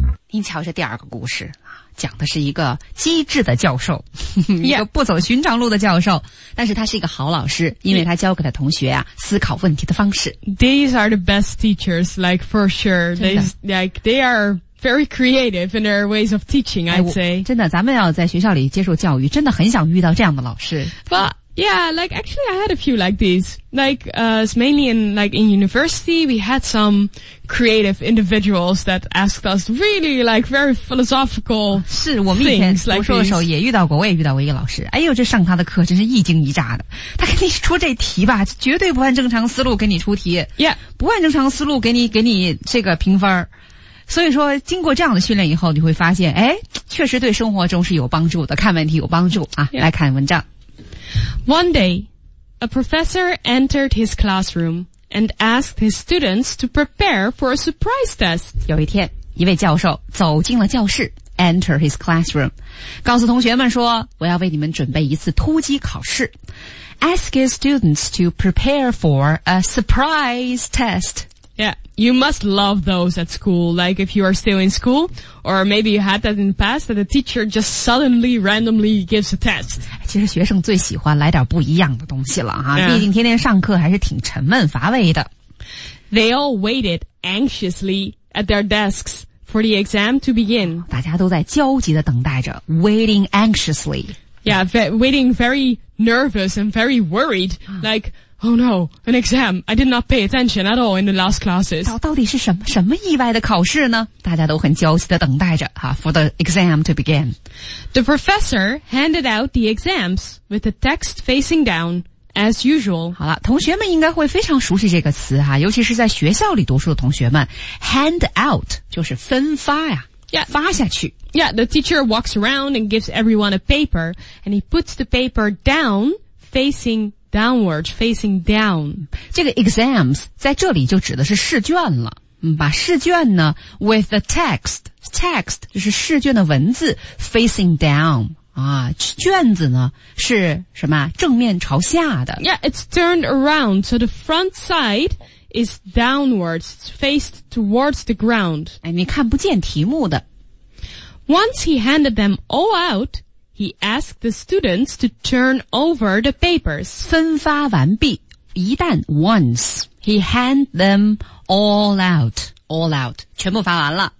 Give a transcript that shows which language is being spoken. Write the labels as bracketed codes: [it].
[zh] 您瞧这第二个故事讲的是一个机智的教授、 yeah. 一个不走寻常路的教授，但是他是一个好老师，因为他教给他同学、啊、思考问题的方式。 [en] These are the best teachers, like for sure. They are very creative in their ways of teaching, I'd say. [zh] 真的，咱们要在学校里接受教育，真的很想遇到这样的老师。 [en] But yeah, like actually I had a few like these. Mainly in university, we had some creative individuals that asked us really like very philosophical things. [zh] 是我们以前读书的时候也遇到过，我也遇到过一个老师。哎呦，这上他的课真是一惊一乍的。他给你出这题吧，绝对不按正常思路给你出题。 Yeah. 不按正常思路给你这个评分。所以说经过这样的训练以后，你会发现哎，确实对生活中是有帮助的，看问题有帮助啊。 Yeah. 来看文章。 [en] One day, a professor entered his classroom and asked his students to prepare for a surprise test. [zh] 有一天，一位教授走进了教室 , [en] enter his classroom, [zh] 告诉同学们说，我要为你们准备一次突击考试。 [en] Ask his students to prepare for a surprise test. Yeah, you must love those at school, like if you are still in school, or maybe you had that in the past, that a teacher just suddenly, randomly gives a test. [zh] 其实学生最喜欢来点不一样的东西了哈、 yeah. 毕竟天天上课还是挺沉闷乏味的。 [en] They all waited anxiously at their desks for the exam to begin. [zh] 大家都在焦急地等待着 , [en] waiting anxiously. Yeah, waiting very nervous and very worried, like, oh no, an exam, I did not pay attention at all in the last classes. [zh] 到底是什么意外的考试呢？大家都很焦急地等待着、啊、 [en] for the exam to begin. The professor handed out the exams with the text facing down, as usual. [zh] 好了，同学们应该会非常熟悉这个词、啊、尤其是在学校里读书的同学们。 Hand out 就是分发呀、啊 yeah. 发下去。 [en] Yeah, the teacher walks around and gives everyone a paper, and he puts the paper down facing downwards, facing down. [zh] 这个 exams 在这里就指的是试卷了。把试卷呢 [en] with the text [zh] 就是试卷的文字 [en] facing down. [zh] 啊卷子呢是什么正面朝下的。 [en] Yeah, it's turned around, so the front side is downwards, it's faced towards the ground. [zh] 哎你看不见题目的。 [en] Once he handed them all out, he asked the students to turn over the papers. [zh] 分发完毕，一旦 [en] once, he handed them all out, [zh] 全部发完了。